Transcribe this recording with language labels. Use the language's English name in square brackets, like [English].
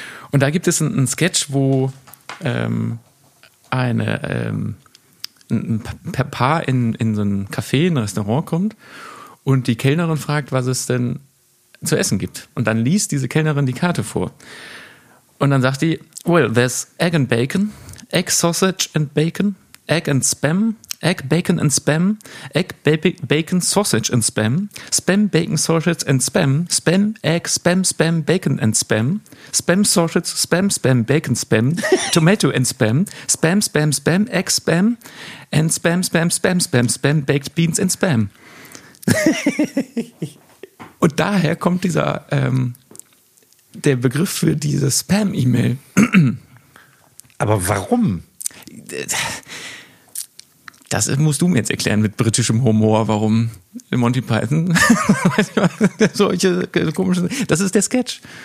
[German] Und da gibt es einen Sketch, wo ein Paar in so ein Café, ein Restaurant kommt und die Kellnerin fragt, was es denn zu essen gibt. Und dann liest diese Kellnerin die Karte vor. Und dann sagt die, [English] well, there's egg and bacon, egg sausage and bacon, egg and spam, Egg, Bacon and Spam, Egg, Bacon, Sausage and Spam, Spam, Bacon, Sausage and Spam, Spam, Egg, Spam, Spam, Bacon and Spam, Spam, Sausage, Spam, Spam, Bacon, Spam, Tomato and Spam, Spam, Spam, Spam, Egg, Spam, and Spam, Spam, Spam, Spam, Spam, Baked Beans and Spam. [German] Und daher kommt dieser, der Begriff für diese Spam-E-Mail. Aber warum? Das musst du mir jetzt erklären mit britischem Humor, warum Monty Python solche komischen... Das ist der Sketch.